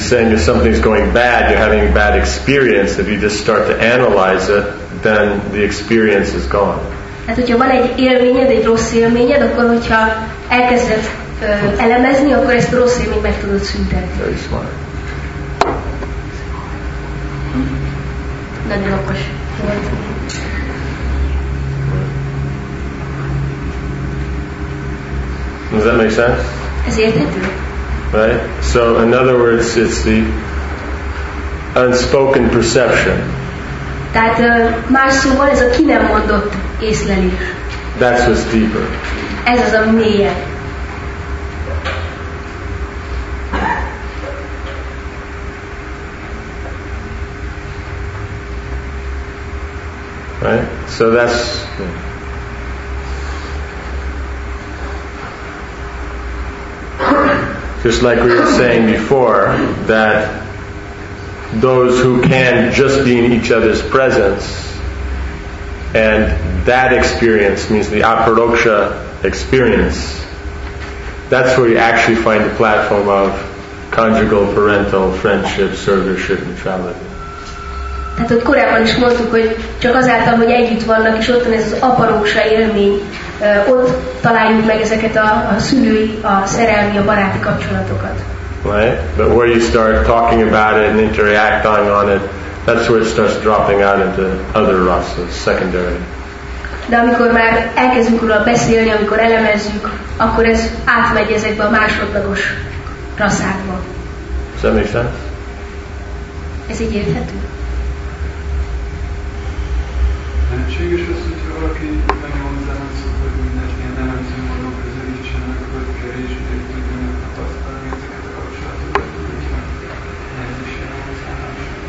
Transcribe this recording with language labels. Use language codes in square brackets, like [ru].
[en] saying if something's going bad, you're having a bad experience, if you just start to analyze it, then the experience is gone. [hu] Hát, hogyha van egy élményed, egy rossz élményed, akkor hogyha elkezded elemezni, akkor ezt a rossz élményt meg tudod szüntetni. [en] Very smart. [hu] Nagyon okos. [en] Does that make sense? [hu] Ez érthető. [en] Right? So, in other words, it's the unspoken perception. [hu] Tehát más szóval ez a ki nem mondott észlelés. [en] That's what's deeper. [hu] Ez az a mélye. [en] Right? So that's... Just like we were saying before, that those who can just be in each other's presence, and that experience means the aparoksha experience, that's where you actually find the platform of conjugal, parental, friendship, servership, neutrality. [hu] Tehát ott korábban is mondtuk, hogy csak azáltal, hogy együtt vannak, és ott van ez az aparoksa élmény, ott találjuk meg ezeket a szülői, a szerelmi, a baráti kapcsolatokat. [en] Right? But where you start talking about it and interacting on it, that's where it starts dropping out into other rasas, secondary. [hu] De amikor már elkezdünk róla beszélni, amikor elemezzük, akkor ez átmegy ezekbe a másodlagos rasszákba. [en] Does that make sense? [hu] Ez így érthető? Lehetséges az, hogyha valaki nagyon zárszott, hogy mindenki ilyen elemző módon közelítsenek, hogy kevésbé tudjanak tapasztalni ezeket a kapcsolatokat, hogyha ez is elhozás.